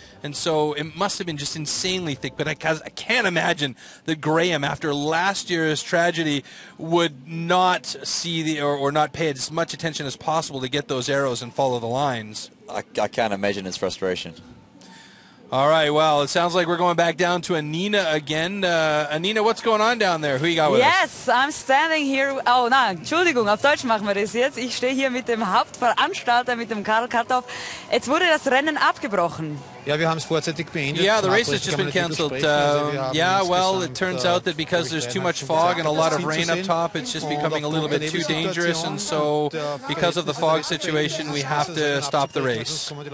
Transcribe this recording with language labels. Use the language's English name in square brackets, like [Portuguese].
[English] And so it must have been just insanely thick. But I can't imagine that Graham, after last year's tragedy, would not see the or not pay as much attention as possible to get those arrows and follow the lines. I can't imagine his frustration. All right, well, it sounds like we're going back down to Anina again. Anina, what's going on down there? Who you got with yes, Yes, I'm standing here. [German] Oh, nein, Entschuldigung, auf Deutsch machen wir das jetzt. Ich stehe hier mit dem Hauptveranstalter, mit dem Karl Kartoff. Jetzt wurde das Rennen abgebrochen. Ja, wir haben es vorzeitig beendet. [English] Yeah, the race has just been cancelled. Yeah, well, it turns out that because there's too much fog and a lot of rain up top, it's just becoming a little bit too dangerous. And so because of the fog situation, we have to stop the race.